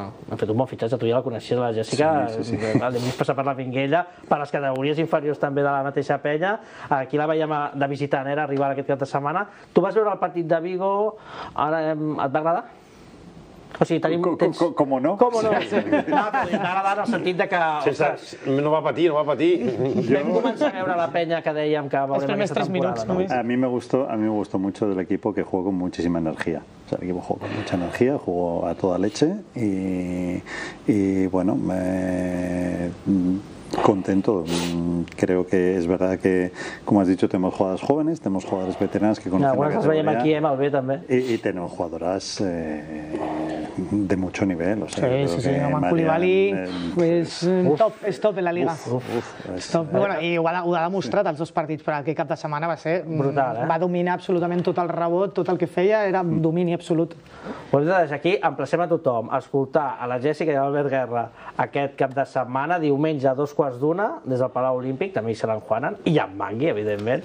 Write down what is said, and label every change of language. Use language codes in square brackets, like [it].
[ca] Hem fet un bon fitxatge, tu ja la coneixies, la Jèssica, l'hem vist passar per la Vinguella, per les categories inferiors també de la mateixa penya, aquí la veiem de visitant, era arribar aquest cap de setmana, tu vas veure el partit de Vigo, ara et va agrada? O sigui, tenim... Com o no? Com o no? T'agrada en el sentit que... No va patir, no va patir. Vam començar a veure la penya que dèiem que va veure aquesta temporada. [es] A mi me gustó mucho del equipo, que jugó con muchísima energía. O sea, el equipo jugó con mucha energía, jugó a toda leche y bueno, me... contento. Creo que es verdad que, como has dicho, tenemos jugadoras jóvenes, tenemos jugadoras veteranas que conocen la categoría. Algunas las [ca] veiem aquí, amb el B, també. [es] Y tenemos jugadoras de mucho nivel. O sea, [ca] sí, sí, Marian, Koulibaly és top en la Liga. Igual ho ha demostrat els dos partits, però aquest cap de setmana va ser brutal. Va dominar absolutament tot el rebot, tot el que feia, era domini absolut. Doncs aquí emplacem a tothom a escoltar a la Jèssica i a l'Albert Guerra aquest cap de setmana, diumenge a 2:15 des del Palau Olímpic, també hi seran Juanan, i en Mangui, evidentment.